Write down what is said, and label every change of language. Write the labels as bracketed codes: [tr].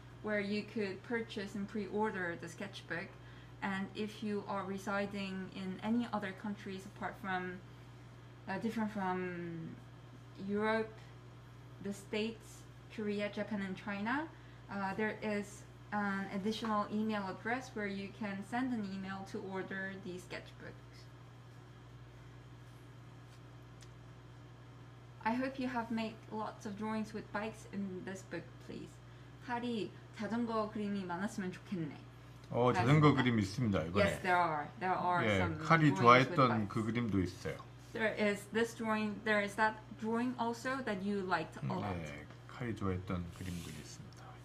[en] Where you could purchase and pre-order the sketchbook, and if you are residing in any other countries apart from different from Europe, the States, Korea, Japan, and China, there is an additional email address where you can send an email to order the sketchbook. I hope you have made lots of drawings with bikes in this book, please. [ko] 하리, 자전거 그림이 많았으면 좋겠네. 어, 자전거 그림 있습니다. 이번에. [en] Yes, there are. There are [ko] 예, [en] some. [ko] 칼이 좋아했던 그 그림도 있어요. [en] There is this drawing. There is that drawing also that you liked a lot. [ko] 예, 칼이 좋아했던 그림도 있습니다.